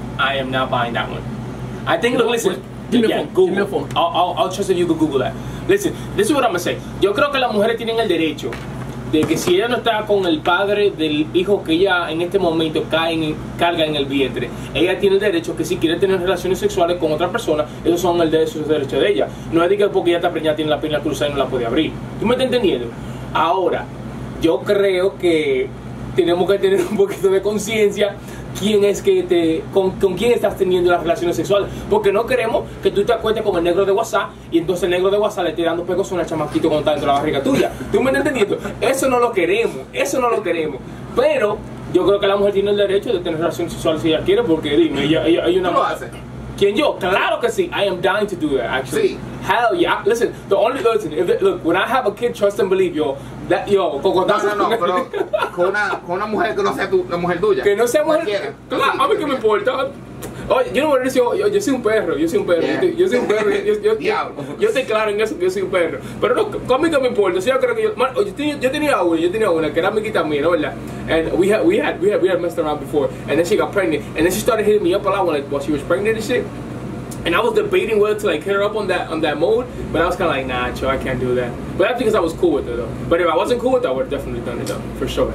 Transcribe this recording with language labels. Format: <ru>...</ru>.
<en>I am not buying that one. I think look, listen. Give me a phone. I'll trust if you can Google that. Listen, this is what I'm gonna say.</en> <es>Yo creo que las mujeres tienen el derecho de que si ella no está con el padre del hijo que ella en este momento carga en el vientre, ella tiene el derecho que si quiere tener relaciones sexuales con otra persona, esos son esos derechos de ella. No es de que porque ella está preñada tiene la pierna cruzada y no la puede abrir. ¿Tú me estás entendiendo? Ahora, yo creo que tenemos que tener un poquito de conciencia. ¿Quién es que te con quién estás teniendo las relaciones sexuales? Porque no queremos que tú te acuestes con el negro de WhatsApp y entonces el negro de WhatsApp le esté dando pegos a una chamaquito con tanto la barriga tuya. ¿Tú me estás entendiendo? Eso no lo queremos. Pero yo creo que la mujer tiene el derecho de tener relaciones sexuales si ella quiere, porque dime, ella hay una. ¿Tú lo haces? ¿Quién yo? Claro que sí.</es> <en>I am dying to do that, actually.</en> <es>Sí.</es> <en>Hell yeah. Listen, when I have a kid, trust and believe, yo. That, yo, cocotazo.</en> <es>No, pero con una mujer que no sea la mujer tuya. Que no sea cualquiera. Mujer. Claro, a mí que me importa. Oye, yo no voy a decir, yo soy un perro, yo soy un perro. Yeah. Yo soy un perro. Yo estoy claro en eso, que yo soy un perro. Pero no, a mí que me importa. Si yo creo que yo. Man, yo tenía una que era amiguita mía, ¿no? ¿Verdad?</es> <en>And we had messed around before. And then she got pregnant. And then she started hitting me up a lot while she was pregnant and shit. And I was debating whether to like hit her up on that mode, but I was kind of like, nah, chill, I can't do that. But that's because I was cool with it, though. But if I wasn't cool with it, I would have definitely done it, though, for sure.</en>